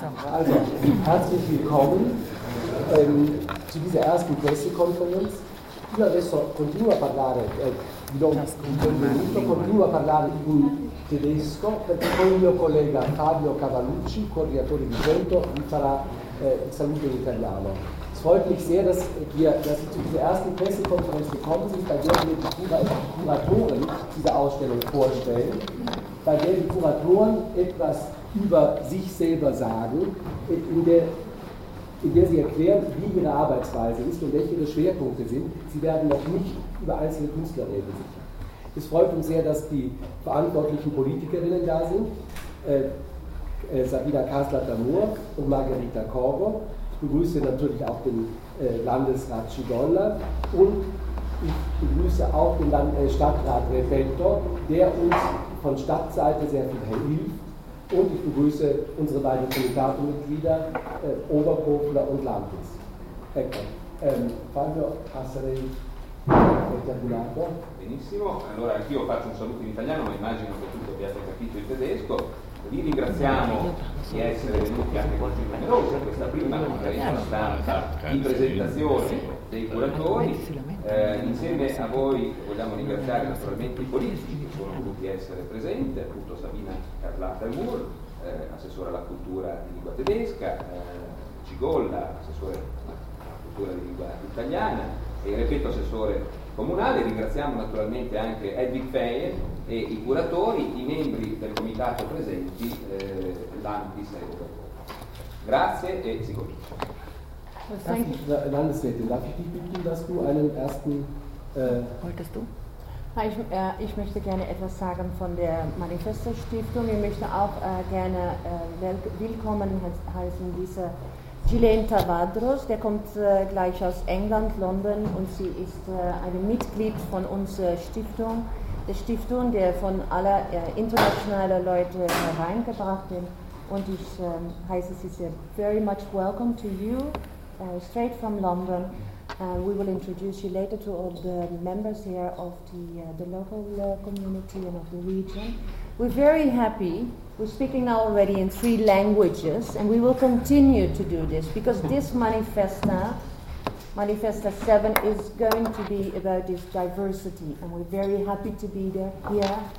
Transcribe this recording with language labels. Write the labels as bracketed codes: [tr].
[de] Also, herzlich willkommen zu dieser ersten Pressekonferenz. [it] Io adesso continuo a parlare in tedesco, perché poi il mio collega Fabio Cavallucci, coordinatore di Vento, vi farà il saluto in italiano. [de] Es freut mich sehr, dass Sie zu dieser ersten Pressekonferenz gekommen sind, bei der wir die Kuratoren dieser Ausstellung vorstellen, bei der die Kuratoren etwas über sich selber sagen, in der sie erklären, wie ihre Arbeitsweise ist und welche ihre Schwerpunkte sind. Sie werden noch nicht über einzelne Künstler reden. Es freut uns sehr, dass die verantwortlichen Politikerinnen da sind, Sabina Kassler-Damur und Margherita Corvo. Ich begrüße natürlich auch den Landesrat Cigolla und ich begrüße auch den Stadtrat Refento, der uns von Stadtseite sehr viel hilft. Und ich begrüße unsere beiden Kommentatormitglieder, Oberkofler und Lampis. [it] Ecco. Fabio, passerei il terminato. Benissimo, allora anch'io faccio un saluto in italiano, ma immagino che tutti abbiate capito il tedesco. Vi ringraziamo di essere venuti anche con più numerosi a questa prima conferenza stampa di presentazione dei curatori. Insieme a voi vogliamo ringraziare naturalmente i politici che sono voluti essere presenti, appunto Sabina Kassler-Damur, assessore alla cultura di lingua tedesca, Cigolla, assessore alla cultura di lingua italiana e ripeto assessore comunale. Ringraziamo naturalmente anche Edwin Feyer e i curatori, i membri del comitato presenti, Lampis e Oberkofler. Grazie e si comincia. [de] Landesrätin, darf ich dich bitten, dass du einen ersten... Wolltest du? Ich möchte gerne etwas sagen von der Manifesto-Stiftung. Ich möchte auch gerne willkommen heißen, dieser Gilenta Vadros. Der kommt gleich aus England, London, und sie ist ein Mitglied von unserer Stiftung. Die Stiftung, der von aller internationalen Leute hereingebracht wird. Und ich heiße sie sehr very much welcome to you. [en] Straight from London, we will introduce you later to all the members here of the local community and of the region. We're very happy. We're speaking now already in three languages, and we will continue to do this because this Manifesta 7, is going to be about this diversity, and we're very happy to be here.